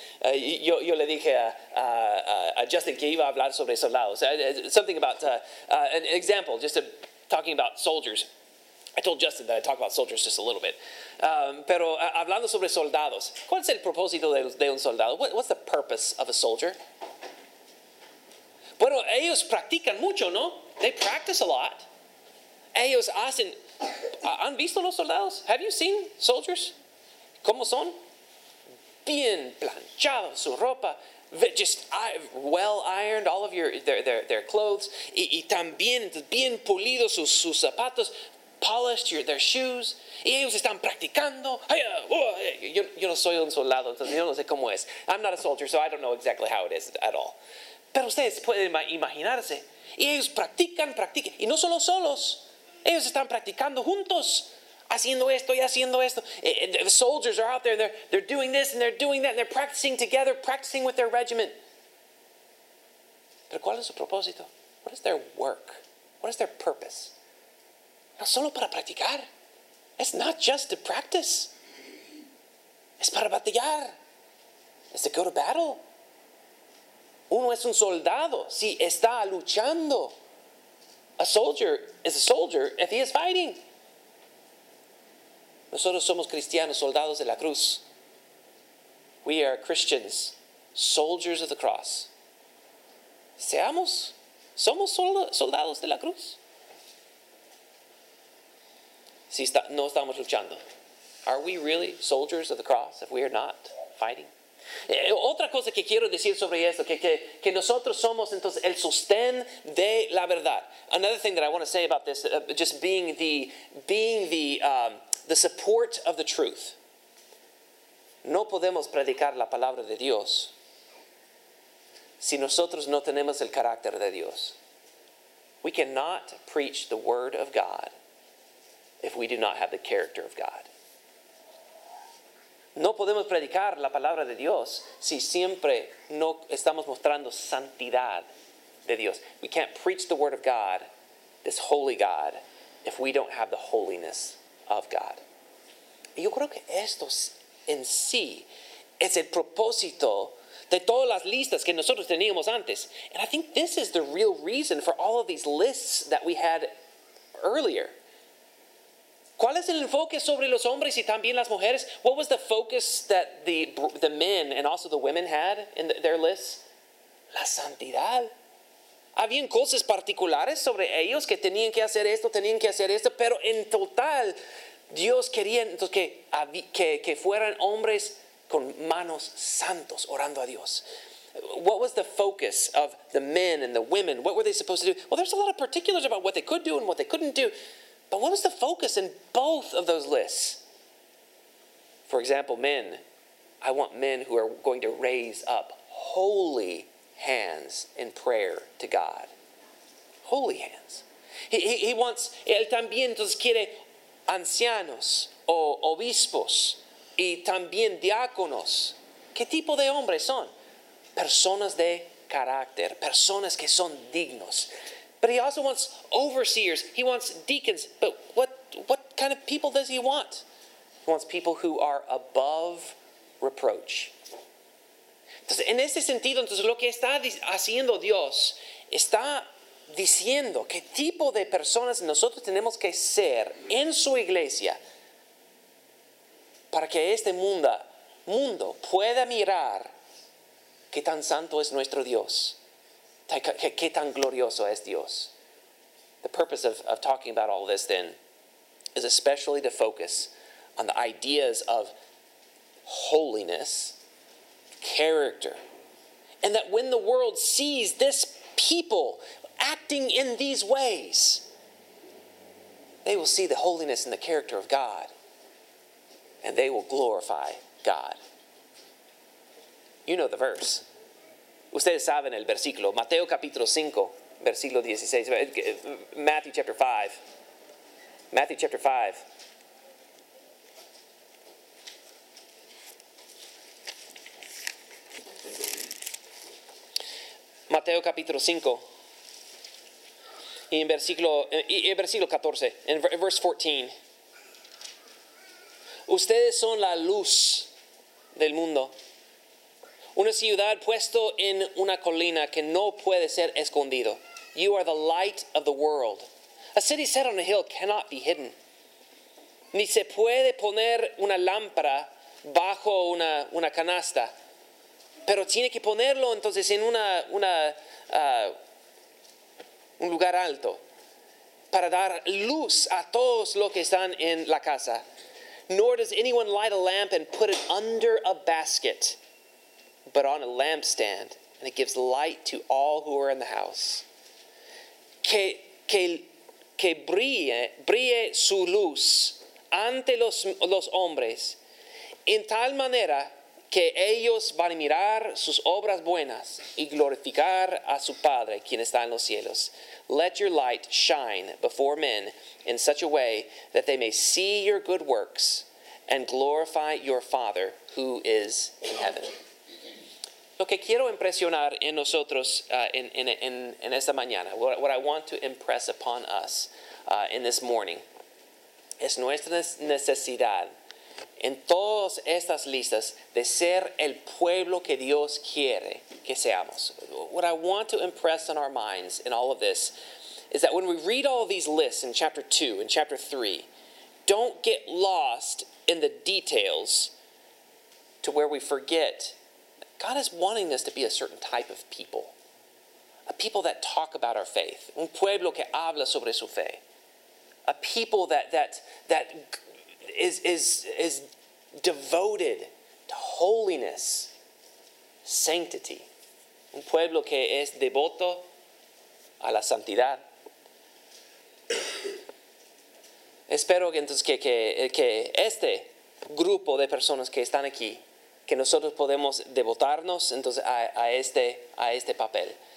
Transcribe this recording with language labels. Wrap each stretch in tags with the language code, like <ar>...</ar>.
<es>Yo le dije a Justin que iba a hablar sobre soldados.</es> <en>Something about an example, just a talking about soldiers. I told Justin that I'd talk about soldiers just a little bit.</en> <es>Pero hablando sobre soldados, ¿cuál es el propósito de un soldado?</es> <en>What's the purpose of a soldier?</en> <es>Bueno, ellos practican mucho, ¿no?</es> <en>They practice a lot.</en> <es>Ellos hacen... ¿Han visto los soldados?</es> <en>Have you seen soldiers?</en> <es>¿Cómo son? Bien planchados, su ropa.</es> <en>Just well ironed all of their clothes.</en> <es>Y también bien pulidos sus zapatos.</es> <en>Polished their shoes.</en> <es>Y ellos están practicando. Yo no soy un soldado, entonces yo no sé cómo es.</es> <en>I'm not a soldier, so I don't know exactly how it is at all.</en> <es>Pero ustedes pueden imaginarse. Y ellos practican. Y no solo solos. Ellos están practicando juntos. Haciendo esto y haciendo esto.</es> <en>The soldiers are out there. They're doing this and they're doing that. And they're practicing together, practicing with their regiment.</en> <es>Pero ¿cuál es su propósito?</es> <en>What is their work? What is their purpose?</en> <es>No solo para practicar.</es> <en>It's not just to practice.</en> <es>Es para batallar.</es> <en>It's to go to battle.</en> <es>Uno es un soldado si está luchando.</es> <en>A soldier is a soldier if he is fighting.</en> <es>Nosotros somos cristianos, soldados de la cruz.</es> <en>We are Christians, soldiers of the cross.</en> <es>Somos soldados de la cruz. No estamos luchando.</es> <en>Are we really soldiers of the cross if we are not fighting?</en> <es>Otra cosa que quiero decir sobre esto, que nosotros somos entonces el sostén de la verdad.</es> <en>Another thing that I want to say about this, just being the support of the truth.</en> <es>no podemos predicar la palabra de Dios si nosotros no tenemos el carácter de Dios.</es> <en>We cannot preach the word of God if we do not have the character of God.</en> <es>No podemos predicar la palabra de Dios si siempre no estamos mostrando santidad de Dios.</es> <en>We can't preach the word of God, this holy God, if we don't have the holiness of God.</en> <es>Yo creo que esto en sí es el propósito de todas las listas que nosotros teníamos antes.</es> <en>And I think this is the real reason for all of these lists that we had earlier.</en> <es>¿Cuál es el enfoque sobre los hombres y también las mujeres?</es> <en>What was the focus that the men and also the women had in their lists?</en> <es>La santidad. Habían cosas particulares sobre ellos que tenían que hacer esto, tenían que hacer esto, pero en total, Dios quería entonces que fueran hombres con manos santos orando a Dios.</es> <en>What was the focus of the men and the women? What were they supposed to do? Well, there's a lot of particulars about what they could do and what they couldn't do. But what was the focus in both of those lists? For example, men. I want men who are going to raise up holy hands in prayer to God. Holy hands. He wants,</en> <es>él también entonces quiere ancianos o obispos y también diáconos. ¿Qué tipo de hombres son? Personas de carácter, personas que son dignos.</es> <en>But he also wants overseers. He wants deacons. But what kind of people does he want? He wants people who are above reproach.</en> <es>Entonces, en ese sentido, entonces, lo que está haciendo Dios está diciendo qué tipo de personas nosotros tenemos que ser en su iglesia para que este mundo pueda mirar qué tan santo es nuestro Dios. Qué tan glorioso es Dios.</es> <en>The purpose of talking about all this then is especially to focus on the ideas of holiness, character, and that when the world sees this people acting in these ways, they will see the holiness and the character of God, and they will glorify God. You know the verse.</en> <es>Ustedes saben el versículo, Mateo capítulo 5, versículo 16, Mateo capítulo 5, verse 14. Ustedes son la luz del mundo. Una ciudad puesto en una colina que no puede ser escondido.</es> <en>You are the light of the world. A city set on a hill cannot be hidden.</en> <es>Ni se puede poner una lámpara bajo una canasta. Pero tiene que ponerlo entonces en un lugar alto. Para dar luz a todos los que están en la casa.</es> <en>Nor does anyone light a lamp and put it under a basket, but on a lampstand, and it gives light to all who are in the house.</en> <es>Que brille su luz ante los hombres, en tal manera que ellos van a mirar sus obras buenas y glorificar a su Padre, quien está en los cielos.</es> <en>Let your light shine before men in such a way that they may see your good works and glorify your Father who is in heaven.</en> <es>Lo que quiero impresionar en nosotros en esta mañana,</es> <en>what I want to impress upon us in this morning,</en> <es>es nuestra necesidad en todas estas listas de ser el pueblo que Dios quiere que seamos.</es> <en>What I want to impress on our minds in all of this is that when we read all of these lists in chapter 2 and chapter 3, don't get lost in the details to where we forget God is wanting us to be a certain type of people. A people that talk about our faith.</en> <es>Un pueblo que habla sobre su fe.</es> <en>A people that is devoted to holiness, sanctity.</en> <es>Un pueblo que es devoto a la santidad. Espero que entonces que este grupo de personas que están aquí que nosotros podemos devotarnos entonces a este papel.</es>